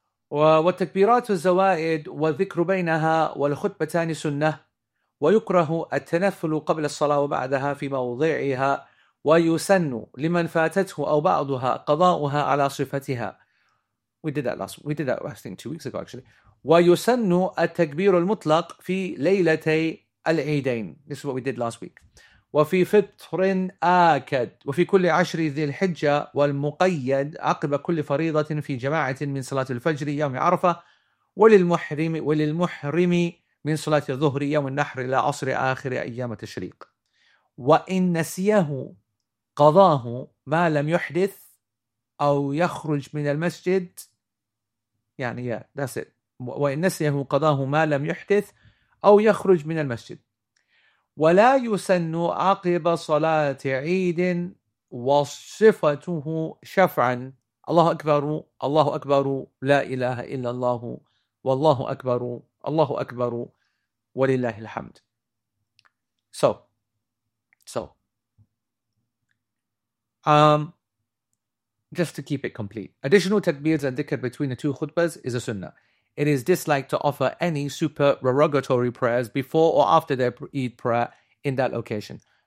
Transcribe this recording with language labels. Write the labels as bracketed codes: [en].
[ar] وتكبيرات الزوائد وذكر بينها والخطبتان سنة ويكره التنفل قبل الصلاة وبعدها في موضعها ويسن لمن فاتته أو بعضها قضاؤها على صفتها. [en] We did that, I think, two weeks ago, actually. [ar] ويسن التكبير المطلق في ليلتي العيدين. [en] This is what we did last week. [ar] وفي فطر آكد وفي كل عشر ذي الحجة والمقيد عقب كل فريضة في جماعة من صلاة الفجر يوم عرفة وللمحرم من صلاة الظهر يوم النحر إلى عصر آخر أيام تشريق وإن نسيه قضاه ما لم يحدث أو يخرج من المسجد يعني [en] yeah, that's it. [ar] وإن نسيه قضاه ما لم يحدث أو يخرج من المسجد ولا يسن عقب صلاة عيد وصفته شفعا الله أكبر الله أكبر لا إله إلا الله والله أكبر الله أكبر ولله الحمد. [en] So, just to keep it complete, additional takbirs and dhikr between the two khutbas is a sunnah. It is disliked to offer any supererogatory prayers before or after their Eid prayer in that location.